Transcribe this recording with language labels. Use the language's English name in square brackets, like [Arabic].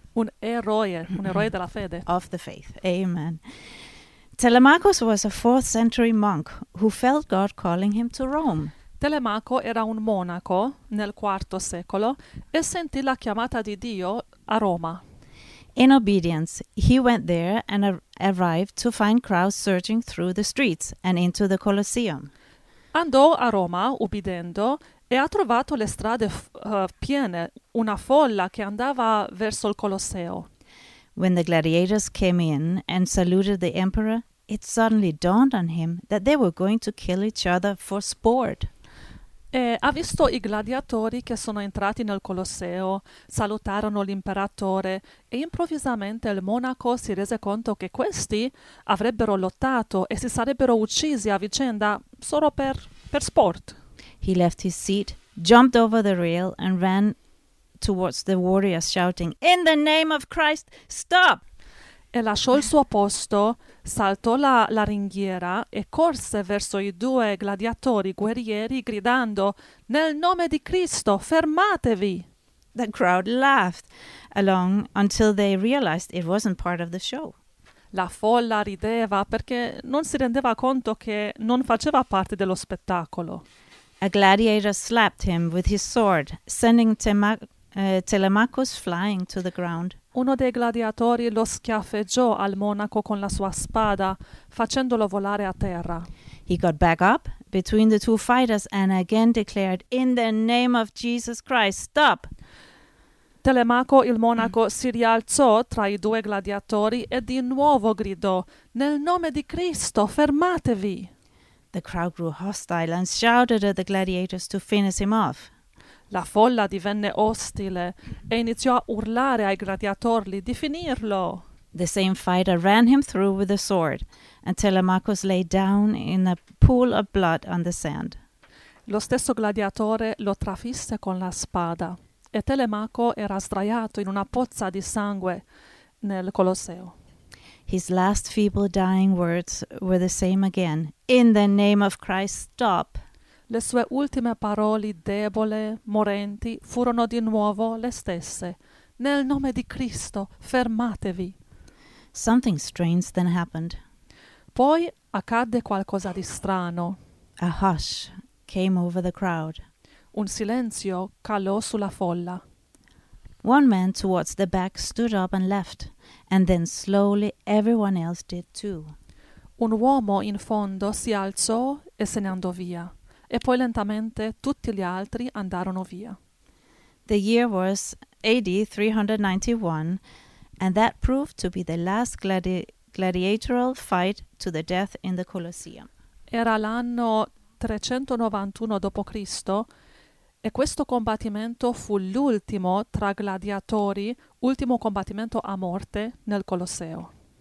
[Italian] un eroe della fede. [English] of the faith. Amen. Telemachus was a 4th century monk who felt God calling him to Rome. [Italian] Telemaco era un monaco nel IV secolo e sentì la chiamata di Dio a Roma. [English] In obedience, he went there and arrived to find crowds surging through the streets and into the Colosseum. [Italian] Andò a Roma, ubbidendo, e ha trovato le strade piene, una folla che andava verso il Colosseo. [English] When the gladiators came in and saluted the emperor, it suddenly dawned on him that they were going to kill each other for sport. [Italian] E ha visto i gladiatori che sono entrati nel Colosseo, salutarono l'imperatore e improvvisamente il monaco si rese conto che questi avrebbero lottato e si sarebbero uccisi a vicenda solo per sport. [English] He left his seat, jumped over the rail, and ran towards the warriors, shouting, "In the name of Christ, stop!" [Italian] E lasciò il suo posto, saltò la ringhiera e corse verso i due gladiatori guerrieri, gridando: Nel nome di Cristo, fermatevi! [English] The crowd laughed along until they realized it wasn't part of the show. [Italian] La folla rideva perché non si rendeva conto che non faceva parte dello spettacolo. [English] A gladiator slapped him with his sword, sending Telemachus flying to the ground. [Italian] Uno dei gladiatori lo schiaffeggiò al monaco con la sua spada, facendolo volare a terra. [English] He got back up between the two fighters and again declared, "In the name of Jesus Christ, stop!" [Italian] Telemaco, il monaco, si rialzò tra i due gladiatori e di nuovo gridò: Nel nome di Cristo, fermatevi! [English] The crowd grew hostile and shouted at the gladiators to finish him off. [Italian] La folla divenne ostile e iniziò a urlare ai gladiatori di finirlo. [English] The same fighter ran him through with a sword, and Telemachus lay down in a pool of blood on the sand. [Italian] Lo stesso gladiatore lo trafisse con la spada e Telemaco era sdraiato in una pozza di sangue nel Colosseo. [English] His last feeble dying words were the same again. In the name of Christ, stop. [Italian] Le sue ultime parole, debole, morenti, furono di nuovo le stesse. Nel nome di Cristo, fermatevi. [English] Something strange then happened. [Italian] Poi accadde qualcosa di strano. [English] A hush came over the crowd. [Italian] Un silenzio calò sulla folla. [English] One man towards the back stood up and left, and then slowly everyone else did too. [Italian] Un uomo in fondo si alzò e se ne andò via. E poi lentamente tutti gli altri andarono via. [English] The year was AD 391, and that proved to be the last gladiatorial fight to the death in the Colosseum. [Italian] Era l'anno 391 d.C. e questo combattimento fu l'ultimo tra gladiatori, ultimo combattimento a morte nel Colosseo.